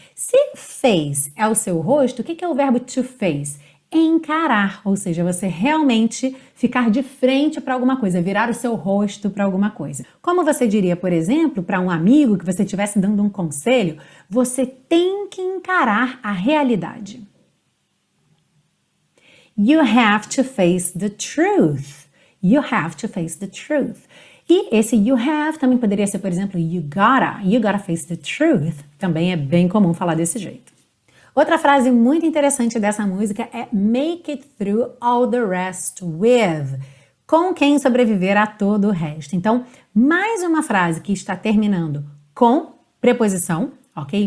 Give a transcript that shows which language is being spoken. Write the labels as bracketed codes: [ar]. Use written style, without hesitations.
[pt] Se face é o seu rosto, o que é o verbo to face? Encarar, ou seja, você realmente ficar de frente para alguma coisa, virar o seu rosto para alguma coisa. Como você diria, por exemplo, para um amigo que você estivesse dando um conselho, você tem que encarar a realidade. [en] You have to face the truth. You have to face the truth. [pt] E esse [en] you have [pt] também poderia ser, por exemplo, [en] you gotta face the truth. [pt] Também é bem comum falar desse jeito. Outra frase muito interessante dessa música é [en] make it through all the rest with. [pt] Com quem sobreviver a todo o resto. Então, mais uma frase que está terminando com preposição. Ok?